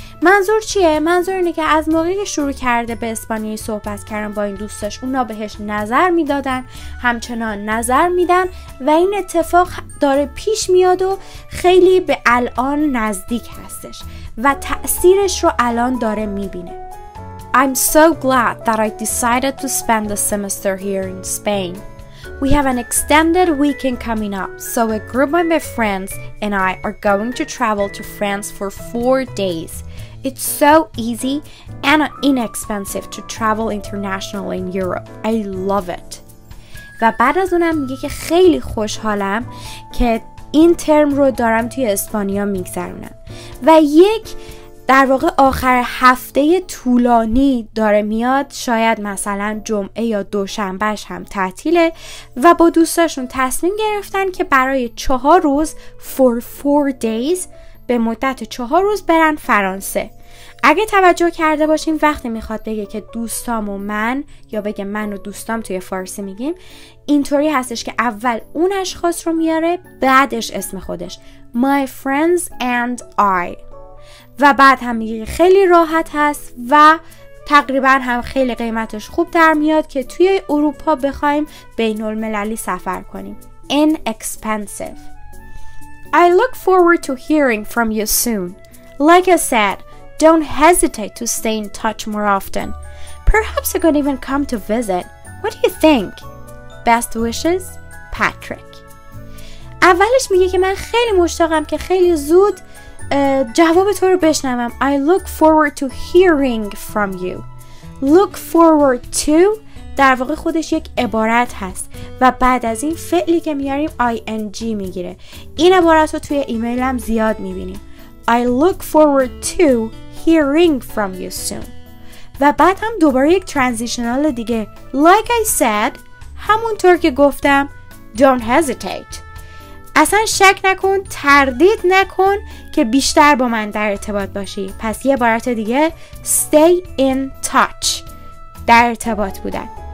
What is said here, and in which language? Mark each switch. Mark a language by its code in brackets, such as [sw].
[fa] منظور چیه؟ منظور اینه که از موقعی که شروع کرده به اسپانیایی صحبت کردن با این دوستش، اونا بهش نظر میدادن، همچنان نظر میدن و این اتفاق داره پیش میاد و خیلی به الان نزدیک هستش و تأثیرش رو الان داره میبینه. [en] I'm so glad that I decided to spend a semester here in Spain. We have an extended weekend coming up, so a group of my friends and I are going to travel to France for 4 days. It's so easy and inexpensive to travel internationally in Europe. I love it. [fa] و بعد از اونم میگه که خیلی خوشحالم که این ترم رو دارم توی اسپانیا میگذرونم و یک در واقع آخر هفته طولانی داره میاد، شاید مثلا جمعه یا دوشنبهش هم تعطیله و با دوستاشون تصمیم گرفتن که برای 4 روز [en] for 4 days [fa] به مدت 4 روز برن فرانسه. اگه توجه کرده باشیم وقتی میخواد بگه که دوستام و من، یا بگه من و دوستام توی فارسی میگیم، اینطوری هستش که اول اون اشخاص رو میاره، بعدش اسم خودش، [en] My friends and I، [fa] و بعد هم میگه خیلی راحت هست و تقریبا هم خیلی قیمتش خوب در میاد که توی اروپا بخوایم بین المللی سفر کنیم. [en] Inexpensive. I look forward to hearing from you soon. Like I said, don't hesitate to stay in touch more often. Perhaps I could even come to visit. What do you think? Best wishes, Patrick. [fa] اولش میگه که من خیلی مشتاقم که خیلی زود جواب تو رو بشنوم. [en] I look forward to hearing from you. Look forward to [fa] در واقع خودش یک عبارت هست و بعد از این فعلی که میاریم ing میگیره. این عبارت رو توی ایمیل هم زیاد میبینیم. [en] I look forward to hearing from you soon. [fa] و بعد هم دوباره یک ترانزیشنال دیگه. [en] Like I said، [fa] همونطور که گفتم، [en] don't hesitate. [fa] اصلا شک نکن، تردید نکن که بیشتر با من در ارتباط باشی. پس یه عبارت دیگه، [en] stay in touch، [fa] در ارتباط بودن.